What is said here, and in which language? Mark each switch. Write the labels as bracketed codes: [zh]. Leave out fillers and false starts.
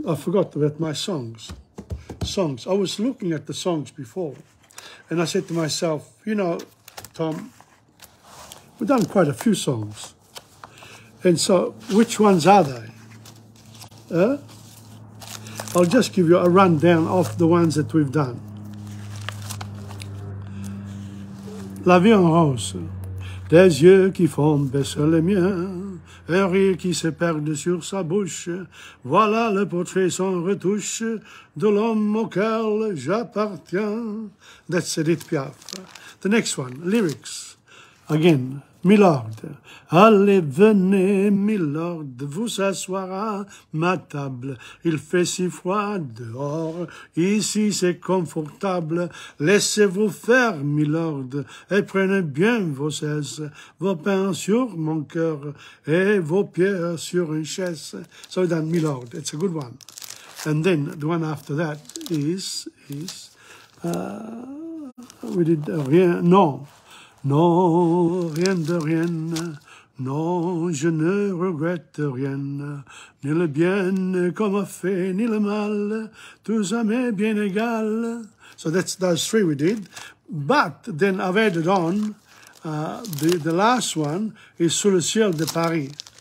[en] I forgot about my songs. Songs. I was looking at the songs before, and I said to myself, you know, Tom, we've done quite a few songs. And so, which ones are they? I'll just give you a rundown of the ones that we've done. [fr] La vie en rose, des yeux qui font baisser les miens, un rire qui se perd sur sa bouche, voilà le portrait sans retouche de l'homme auquel j'appartiens. [en] That's Edith Piaf. The next one, lyrics. Again, Milord. [fr] Allez, venez, Milord, vous asseoir à ma table. Il fait si froid dehors, ici c'est confortable. Laissez-vous faire, Milord, et prenez bien vos aises, vos pains sur mon cœur et vos pieds sur une chaise. [en] So then, Milord, it's a good one. And then, the one after that we did rien, non. [fr] Non, rien de rien, non, je ne regrette rien, ni le bien comme a fait, ni le mal, tout ça m'est bien égal. [en] So that's those three we did, but then I've added on, the last one is Sous le ciel de Paris.